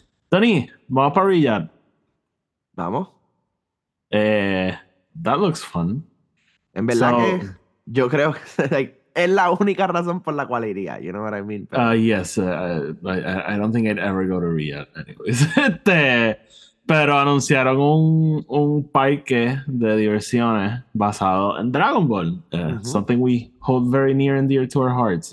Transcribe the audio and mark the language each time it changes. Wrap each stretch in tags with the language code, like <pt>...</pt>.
<es>Tony, vamos para Riyadh. Vamos.</es> <en>That looks fun.</en> <es>En verdad que yo creo que... Es la única razón por la cual iría,</es> <en>you know what I mean? Yes, I don't think I'd ever go to Riyadh anyways.</en> <es>pero anunciaron un parque de diversiones basado en Dragon Ball.</es> <en>Something we hold very near and dear to our hearts.</en>